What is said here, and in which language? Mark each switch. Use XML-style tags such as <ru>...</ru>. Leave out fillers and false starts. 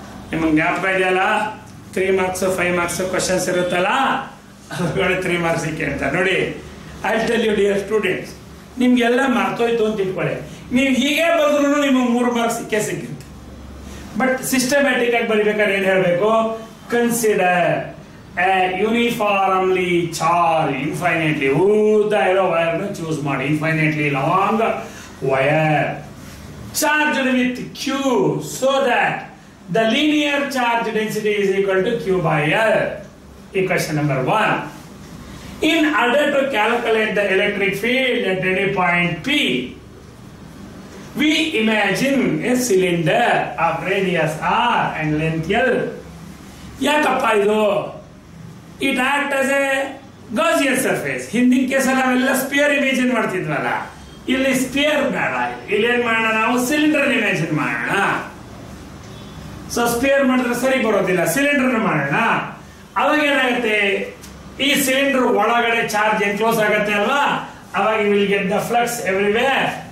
<kn>ನಿಮ್ಗೆ ಜ್ಞಾಪಕ ಇದೆಯಲ್ಲ, three marks five marks questions ಇರುತ್ತಲ್ಲ, ಅದ್ರೊಳಗೆ ತ್ರೀ ಮಾರ್ಕ್ಸ್ ಸಿಕ್ಕಿ ಅಂತ ನೋಡಿ.</kn> <en>I tell you dear students,</en> <kn>ನಿಮ್ಗೆಲ್ಲ ಮರ್ತೋಯ್ತು ಅಂತ ಇಟ್ಕೊಳ್ಳಿ, ನೀವು ಹೀಗೆ ಬರೆದ್ರು ನಿಮ್ಗೆ ಮೂರು ಮಾರ್ಕ್ಸ್ ಸಿಕ್ಕೆ ಸಿಕ್ಕಿತ್ತು. ಬಟ್ ಸಿಸ್ಟಮ್ಯಾಟಿಕ್ ಆಗಿ ಬರಿಬೇಕಾದ್ರೆ ಏನ್ ಹೇಳಬೇಕು?</kn> <en>consider a uniformly charge infinitely</en> <kn>ಉದ್ದ ಇರೋ ವೈರ್ ಚೂಸ್ ಮಾಡಿ,</kn> <en>Infinitely long wire charged with Q, so that the linear charge density is equal to Q by L. Equation number 1. In order to calculate the electric field at any point P, we imagine a cylinder of radius R and length L.</en> <kn>ಯಾಕಪ್ಪ ಇದು?</kn> <en>It acts as a Gaussian surface.</en> <kn>ಹಿಂದಿನ ಕೇಸಲ್ಲಿ ನಾವೆಲ್ಲ spear ಇಮೇಜಿನ್ ಮಾಡ್ತಿದ್ವಲ್ಲ, ಇಲ್ಲಿ spear ಬೇಡ, ಇಲ್ಲಿ ಏನ್ ಮಾಡೋಣ ನಾವು? ಸಿಲಿಂಡರ್ ಇಮೇಜಿನ್ ಮಾಡೋಣ. ಸೊ ಸ್ಪಿಯರ್ ಮಾಡಿದ್ರೆ ಸರಿ ಬರೋದಿಲ್ಲ, ಸಿಲಿಂಡರ್ ಮಾಡೋಣ. ಅವಾಗ ಏನಾಗುತ್ತೆ? ಈ ಸಿಲಿಂಡರ್ ಒಳಗಡೆ ಚಾರ್ಜ್ ಎನ್ಕ್ಲೋಸ್ ಆಗತ್ತೆ ಅಲ್ವಾ, ಅವಾಗ</kn> <en>You will get the flux everywhere.</en>